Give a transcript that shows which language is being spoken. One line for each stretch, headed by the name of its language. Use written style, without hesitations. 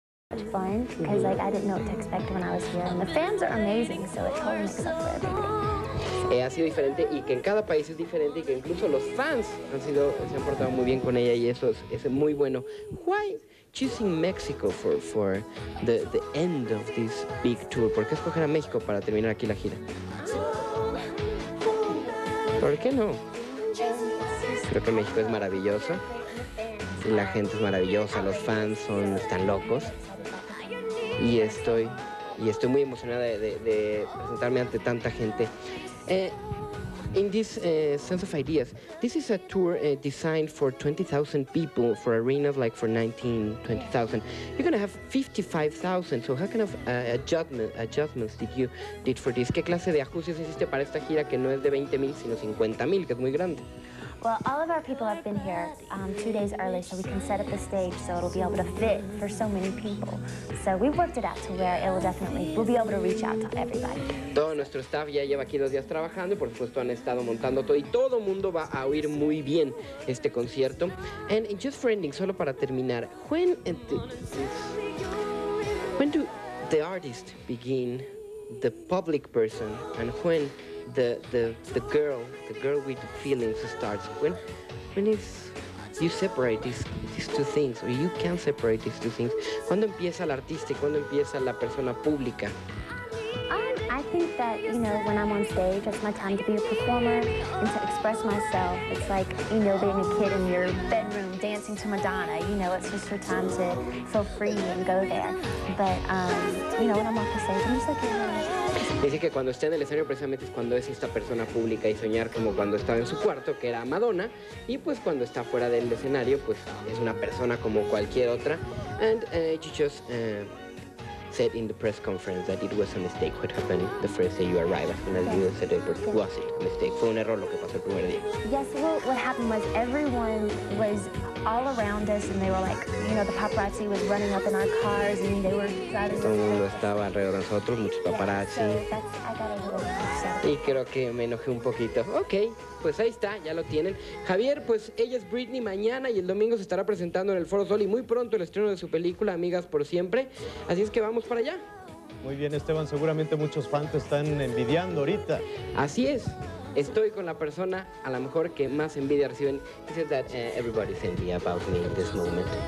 English: Much fun because like I didn't know what to expect when I was here, and the fans are amazing, so it totally makes up for everything.
Spanish: Ha sido diferente y que en cada país es diferente y que incluso los fans han sido, se han portado muy bien con ella y eso es muy bueno.
English: Why choosing Mexico for the end of this big tour?
Spanish: ¿Por qué escoger a México para terminar aquí la gira? ¿Por qué no? Creo que México es maravilloso. La gente es maravillosa, los fans son tan locos. Y estoy muy emocionada de presentarme ante tanta gente.
English: In this sense of ideas, this is a tour designed for 20,000 people, for arenas like for 19,000, 20,000. You're going to have 55,000, so how kind of adjustments did you for this?
Spanish: ¿Qué clase de ajustes hiciste para esta gira que no es de 20,000, sino 50,000, que es muy grande?
English: Well, all of our people have been here 2 days early, so we can set up the stage so it'll be able to fit for so many people. So we've worked it out to where we'll be able to reach out to everybody.
Spanish: Todo nuestro staff ya lleva aquí 2 días trabajando, por supuesto han estado montando todo y todo mundo va a oír muy bien este concierto.
English: And just for ending,
Spanish: solo para terminar,
English: when do the artist begin, the public person, and when the girl with the feelings starts? When is you separate these two things, or you can separate these two things?
Spanish: ¿Cuándo empieza el artista y cuándo empieza la persona pública?
English: I think that, you know, when I'm on stage, it's my time to be a performer and to express myself. It's like, you know, being a kid in your bedroom dancing to Madonna, you know, it's just your time to feel free and go there. But, you know, when I'm off the stage, I'm just like, you know,
Spanish: dice que cuando está en el escenario precisamente es cuando es esta persona pública y soñar como cuando estaba en su cuarto, que era Madonna, y pues cuando está fuera del escenario, pues es una persona como cualquier otra.
English: And you just said in the press conference that it was a mistake what happened the first day you arrived. And as you said, it was a mistake.
Spanish: Fue un error lo que pasó el primer día.
English: Yes, well, what happened was everyone was all around us and they were like, you know, the paparazzi was running up in our cars and they were driving.
Spanish: Todo el mundo estaba alrededor de nosotros, muchos paparazzi.
English: Yeah, so that's, I got a little upset.
Spanish: Y creo que me enojé un poquito. Okay. Pues ahí está, ya lo tienen. Javier, pues ella es Britney, mañana y el domingo se estará presentando en el Foro Sol y muy pronto el estreno de su película, Amigas por Siempre. Así es que vamos para allá. Muy bien, Esteban, seguramente muchos fans te están envidiando ahorita. Así es, estoy con la persona a lo mejor que más envidia reciben.
English: He said that everybody's envy about me in this moment.